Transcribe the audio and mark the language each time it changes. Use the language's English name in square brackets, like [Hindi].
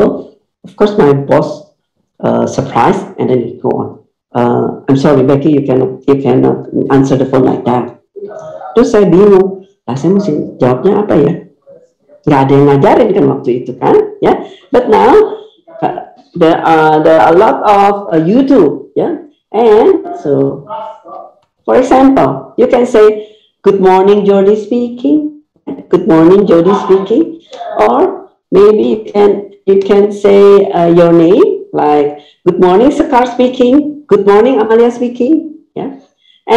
[English] Of course my boss surprised and then he go on. I'm sorry Becky, you cannot answer the phone like that. [Indonesian] Terus saya bingung, lah saya mesti jawabnya apa ya? Gak ada yang ngajarin kan waktu itu kan, ya. [English] Yeah. But now there are a lot of YouTube, ya. Yeah. And so, for example, you can say good morning Jody speaking, good morning Jody speaking, or maybe you can say your name like good morning Sekar speaking, good morning Amalia speaking, ya. Yeah.